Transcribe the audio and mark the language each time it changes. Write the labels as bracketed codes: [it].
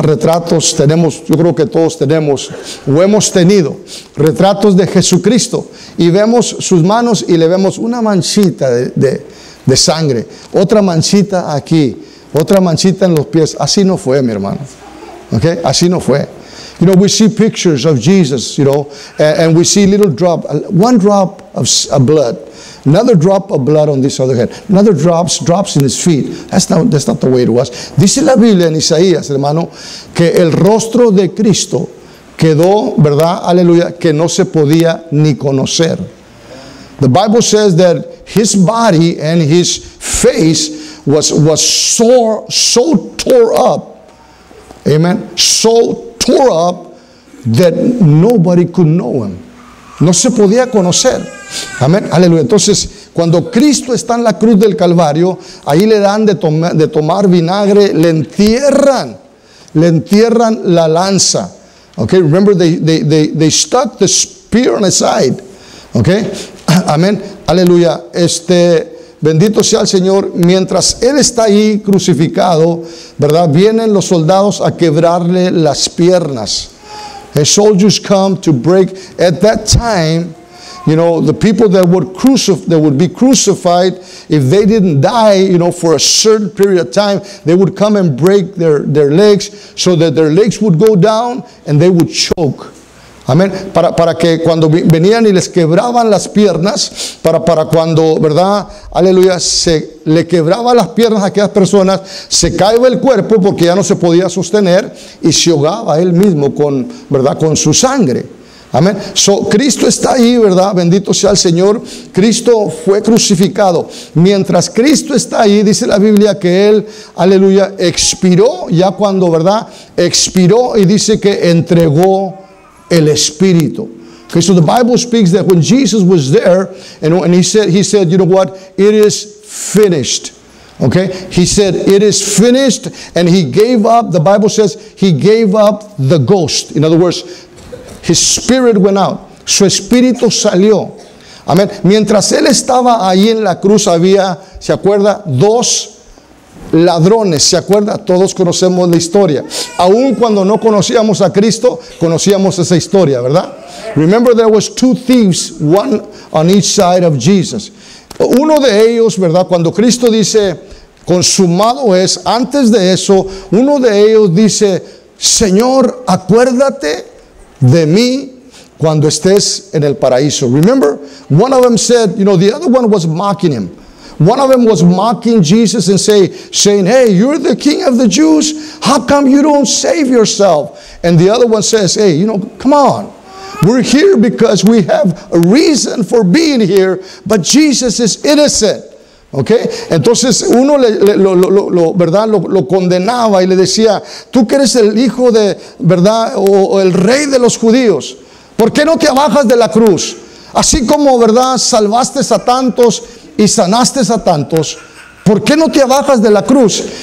[es] Retratos tenemos, yo creo que todos tenemos, o hemos tenido, retratos de Jesucristo. Y vemos sus manos y le vemos una manchita de sangre, otra manchita aquí, otra manchita en los pies. Así no fue, mi hermano. Okay? Así no fue. [en] You know, we see pictures of Jesus, you know, and we see little drop, one drop of blood, another drop of blood on this other head, another drops in his feet. That's not the way it was. [es] Dice la Biblia en Isaías, hermano, que el rostro de Cristo quedó, ¿verdad? Aleluya, que no se podía ni conocer. [en] The Bible says that his body and his face was sore, so tore up. Amen. So tore up that nobody could know him. [es] No se podía conocer. Amén. Aleluya. Entonces, cuando Cristo está en la cruz del Calvario, ahí le dan de tomar vinagre, le entierran la lanza. [en] Okay? Remember they stuck the spear on his side. [es] Okay? Amén, aleluya. Bendito sea el Señor. Mientras él está ahí crucificado, ¿verdad? Vienen los soldados a quebrarle las piernas. [en] The soldiers come to break. At that time, you know, the people that would be crucified, if they didn't die, you know, for a certain period of time, they would come and break their legs so that their legs would go down and they would choke. [es] Amén. Para que cuando venían y les quebraban las piernas, para cuando, ¿verdad? Aleluya, se le quebraba las piernas a aquellas personas, se caía el cuerpo porque ya no se podía sostener y se ahogaba él mismo con, ¿verdad? Con su sangre. Amén. So, Cristo está ahí, ¿verdad? Bendito sea el Señor. Cristo fue crucificado. Mientras Cristo está ahí, dice la Biblia que él, aleluya, expiró, ya cuando, ¿verdad? Expiró y dice que entregó el Espíritu. [en] Okay, so the Bible speaks that when Jesus was there, and he said, you know what, it is finished. Okay? He said, it is finished, and he gave up, the Bible says, he gave up the ghost. In other words, his spirit went out. [es] Su espíritu salió. Amén. Mientras él estaba ahí en la cruz, había, ¿se acuerda? Dos ladrones, ¿se acuerda? Todos conocemos la historia. Aún cuando no conocíamos a Cristo, conocíamos esa historia, ¿verdad? [en] Remember, there was two thieves, one on each side of Jesus. [es] Uno de ellos, ¿verdad? Cuando Cristo dice, consumado es, antes de eso, uno de ellos dice, Señor, acuérdate de mí cuando estés en el paraíso. [en] Remember, one of them said, you know, the other one was mocking him. One of them was mocking Jesus and saying, hey, you're the king of the Jews. How come you don't save yourself? And the other one says, hey, you know, come on. We're here because we have a reason for being here, but Jesus is innocent. Okay? [es] Entonces uno lo condenaba y le decía, tú que eres el hijo de, ¿verdad? O el rey de los judíos. ¿Por qué no te bajas de la cruz? Así como, ¿verdad? Salvaste a tantos y sanaste a tantos, ¿por qué no te bajas de la cruz?